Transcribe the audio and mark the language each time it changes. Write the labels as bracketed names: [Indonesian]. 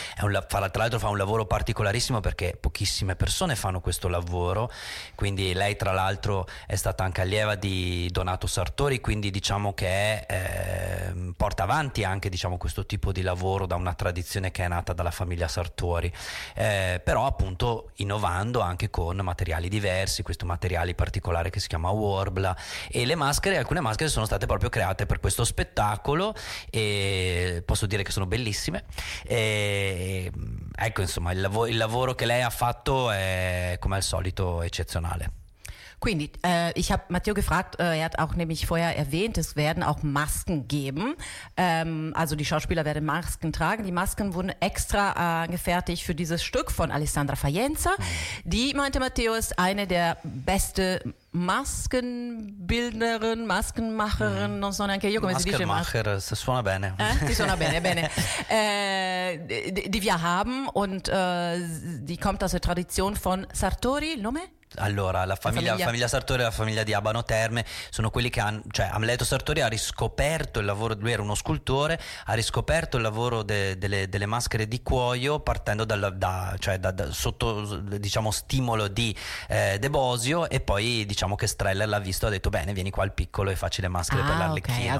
[Italian] Tra l'altro fa un lavoro particolarissimo perché pochissime persone fanno questo lavoro, quindi lei tra l'altro è stata anche allieva di Donato Sartori, quindi diciamo che porta avanti anche, diciamo, questo tipo di lavoro da una tradizione che è nata dalla famiglia Sartori, però appunto innovando anche con materiali diversi, questo materiale particolare che si chiama Warbla, e le maschere, alcune maschere sono state proprio create per questo spettacolo e posso dire che sono bellissime. E ecco, insomma, il lavoro che lei ha fatto è come al solito eccezionale. [German] Quindi, ich habe Matteo gefragt, er hat auch nämlich vorher erwähnt, es werden auch Masken geben. Also die Schauspieler werden Masken tragen. Die Masken wurden extra angefertigt für dieses Stück von Alessandra Faenza. Die, meinte Matteo, ist eine der beste Maskenbildnerin, Maskenmacherin, [Italian] non so neanche io come si dice. Maskenmacher, si suona bene. Si suona bene, bene. [German] Die wir haben und die kommt aus der Tradition von Sartori, [Italian] il nome? Allora, la famiglia Sartori e la famiglia di Abano Terme sono quelli che hanno, cioè Amleto Sartori ha riscoperto il lavoro, lui era uno scultore, ha riscoperto il lavoro delle maschere di cuoio partendo sotto, diciamo, stimolo di De Bosio, e poi diciamo che Streller l'ha visto, ha detto bene, vieni qua al piccolo e facci le maschere per l'Arlecchino.